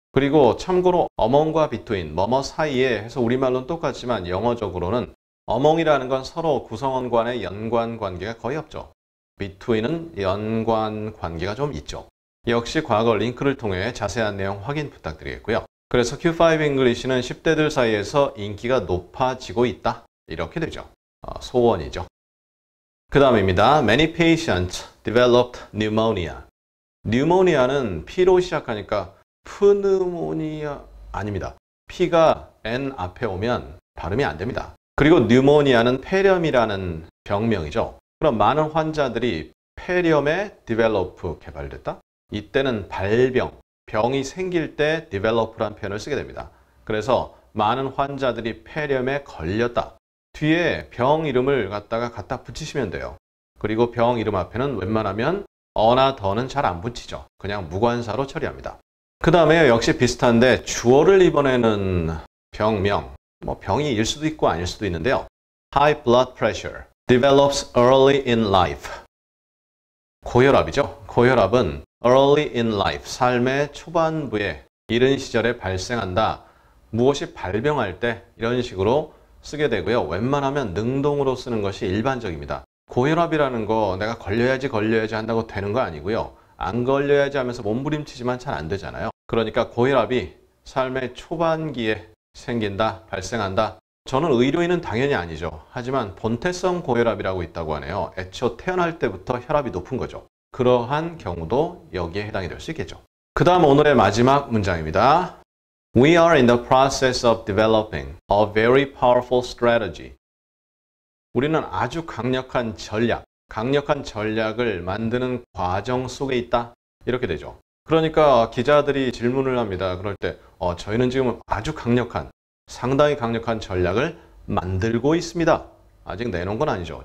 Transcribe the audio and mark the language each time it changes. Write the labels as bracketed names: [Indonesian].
[Korean] 그리고 참고로 among과 between, 뭐뭐 사이에 해서 우리말로는 똑같지만 영어적으로는 among이라는 건 서로 구성원 간의 연관 관계가 거의 없죠. between은 연관 관계가 좀 있죠. 역시 과거 링크를 통해 자세한 내용 확인 부탁드리겠고요. 그래서 Q5 English는 10대들 사이에서 인기가 높아지고 있다. 이렇게 되죠. 소원이죠. 그 다음입니다. [English] Many patients developed pneumonia. [Korean] 뉴모니아는 P로 시작하니까 pneumonia 아닙니다. P가 N 앞에 오면 발음이 안 됩니다. 그리고 뉴모니아는 폐렴이라는 병명이죠. 그럼 많은 환자들이 폐렴에 develop 개발됐다? 이때는 발병, 병이 생길 때 develop란 표현을 쓰게 됩니다. 그래서 많은 환자들이 폐렴에 걸렸다. 뒤에 병 이름을 갖다 붙이시면 돼요. 그리고 병 이름 앞에는 웬만하면 어나 더는 잘 안 붙이죠. 그냥 무관사로 처리합니다. 그 다음에 역시 비슷한데 주어를 이번에는 병명, 뭐 병이 일 수도 있고 아닐 수도 있는데요. [English] High blood pressure develops early in life. [Korean] 고혈압이죠. 고혈압은 early in life, 삶의 초반부에 이른 시절에 발생한다. 무엇이 발병할 때 이런 식으로 쓰게 되고요. 웬만하면 능동으로 쓰는 것이 일반적입니다. 고혈압이라는 거 내가 걸려야지 한다고 되는 거 아니고요. 안 걸려야지 하면서 몸부림치지만 잘 안 되잖아요. 그러니까 고혈압이 삶의 초반기에 생긴다, 발생한다. 저는 의료인은 당연히 아니죠. 하지만 본태성 고혈압이라고 있다고 하네요. 애초 태어날 때부터 혈압이 높은 거죠. 그러한 경우도 여기에 해당이 될 수 있겠죠. 그 다음 오늘의 마지막 문장입니다. [English] We are in the process of developing a very powerful strategy. [Korean] 우리는 아주 강력한 전략을 만드는 과정 속에 있다. 이렇게 되죠. 그러니까 기자들이 질문을 합니다. 그럴 때 저희는 지금 아주 강력한 상당히 강력한 전략을 만들고 있습니다. 아직 내놓은 건 아니죠.